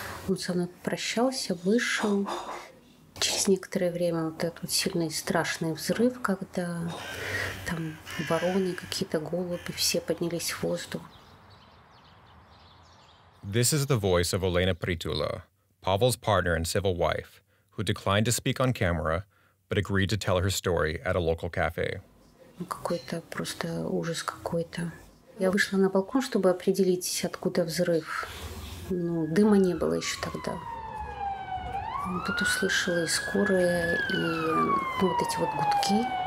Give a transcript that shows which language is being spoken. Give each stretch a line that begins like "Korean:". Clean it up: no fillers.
Russian: Он со мной прощался, вышел. Через некоторое время вот этот вот сильный страшный взрыв, когда там вороны, какие-то голуби, все поднялись в воздух.
English: This is the voice of Olena Pritula, Pavel's partner and civil wife, who declined to speak on camera, but agreed to tell her story at a local cafe.
Russian: Какой-то просто ужас какой-то. Я вышла на балкон, чтобы определить, откуда взрыв. Ну, дыма не было еще тогда. Тут услышала и скорая, и ну, вот эти вот гудки.